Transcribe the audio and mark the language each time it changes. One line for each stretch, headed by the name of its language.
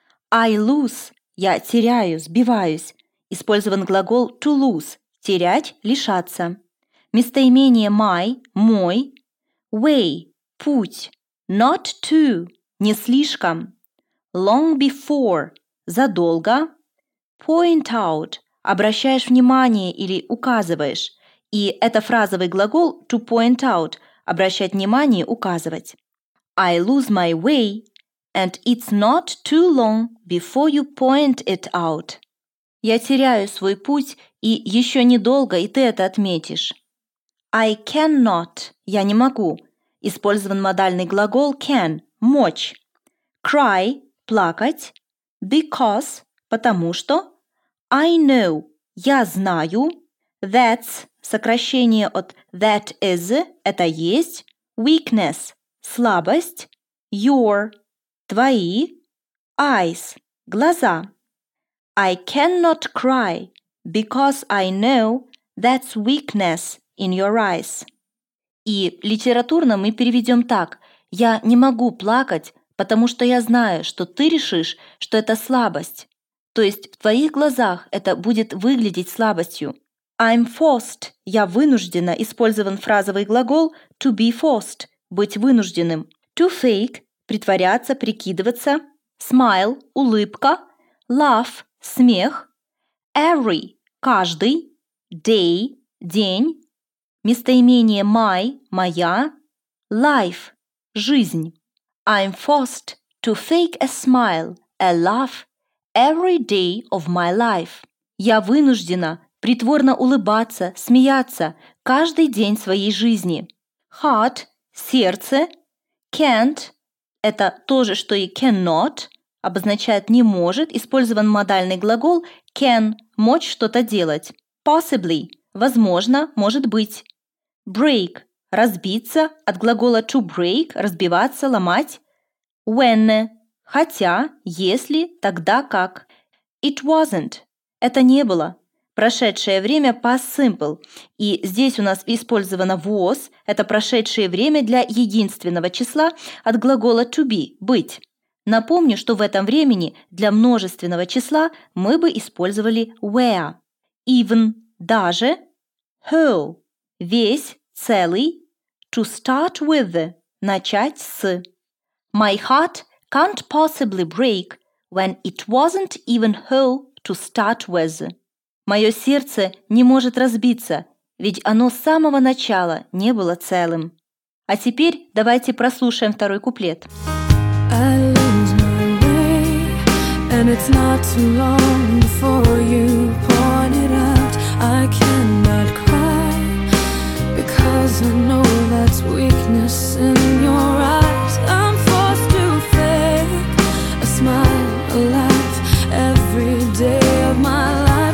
English: I lose
Russian: – я теряю, сбиваюсь. Использован глагол
English: to lose
Russian: – терять, лишаться. Местоимение my – мой. Way – путь.
English: Not to
Russian: – не слишком.
English: Long before – задолго. Point out
Russian: – обращаешь внимание или указываешь. И это фразовый глагол
English: to point out
Russian: – обращать внимание, указывать.
English: I lose my way – and it's not too long before you point it out.
Russian: Я теряю свой путь, и еще недолго, и ты это отметишь.
English: I cannot.
Russian: Я не могу. Использован модальный глагол can – мочь. Cry – плакать. Because – потому что.
English: I know
Russian: – я знаю. That's – сокращение от
English: that is
Russian: – это есть. Weakness – слабость. Your – твои,
English: eyes,
Russian: глаза.
English: I cannot cry, because I know that's weakness in your eyes.
Russian: И литературно мы переведем так. Я не могу плакать, потому что я знаю, что ты решишь, что это слабость. То есть в твоих глазах это будет выглядеть слабостью.
English: I'm forced,
Russian: я вынуждена, использован фразовый глагол
English: to be forced,
Russian: быть вынужденным.
English: To fake,
Russian: притворяться, прикидываться. Smile – улыбка. Laugh – смех.
English: Every
Russian: – каждый.
English: Day
Russian: – день. Местоимение my – моя.
English: Life
Russian: – жизнь.
English: I'm forced to fake a smile, a laugh, every day of my life.
Russian: Я вынуждена притворно улыбаться, смеяться каждый день своей жизни. Heart – сердце. Can't – это то же, что и cannot, обозначает «не может», использован модальный глагол can – «мочь что-то делать».
English: Possibly
Russian: – «возможно», «может быть».
English: Break
Russian: – «разбиться», от глагола
English: to break
Russian: – «разбиваться», «ломать».
English: When
Russian: – «хотя», «если», «тогда как».
English: It wasn't
Russian: – «это не было». Прошедшее время –
English: past simple.
Russian: И здесь у нас использовано was – это прошедшее время для единственного числа от глагола
English: to be
Russian: – быть. Напомню, что в этом времени для множественного числа мы бы использовали where. Even – даже. Whole – весь, целый.
English: To start with
Russian: – начать с.
English: My heart can't possibly break when it wasn't even whole to start with.
Russian: Мое сердце не может разбиться, ведь оно с самого начала не было целым. А теперь давайте прослушаем второй куплет.
English: I lose my way, and it's not too long before you point it out. I cannot cry, because I know that's weakness in your eyes. I'm forced to fake a smile, a laugh, every day of my life.